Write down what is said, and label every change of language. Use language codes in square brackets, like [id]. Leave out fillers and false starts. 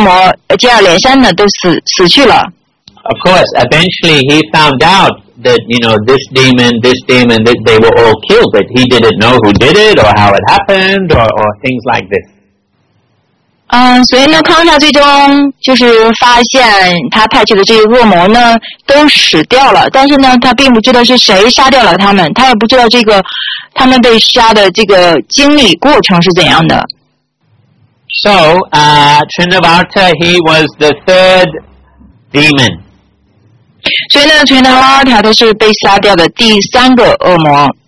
[en] Of course, eventually he found out that, you know, this demon, that they were all killed, but he didn't know who did it or how it happened or things like this. [zh] 所以呢，康夏最终就是发现他派去的这些恶魔呢都死掉了，但是呢，他并不知道是谁杀掉了他们，他也不知道这个他们被杀的这个经历过程是怎样的。 [en] So, Trinavarta, he was the third demon. [zh] 所以呢 ，Trinavarta 他是被杀掉的第三个恶魔。